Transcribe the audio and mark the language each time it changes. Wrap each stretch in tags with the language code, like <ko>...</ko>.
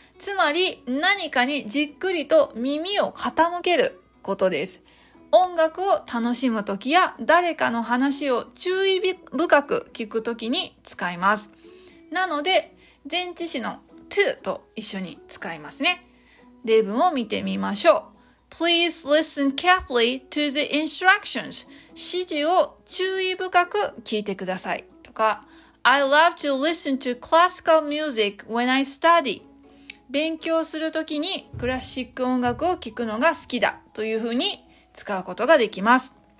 <ja>つまり何かにじっくりと耳を傾けることです。音楽を楽しむときや誰かの話を注意深く聞くときに使います。なので前置詞の to と一緒に使いますね。例文を見てみましょう。</ja> <en>Please listen carefully to the instructions.</en> <ja>指示を注意深く聞いてください。とか、</ja> <en>I love to listen to classical music when I study.</en> <ja>勉強するときにクラシック音楽を聴くのが好きだというふうに使うことができます。</ja>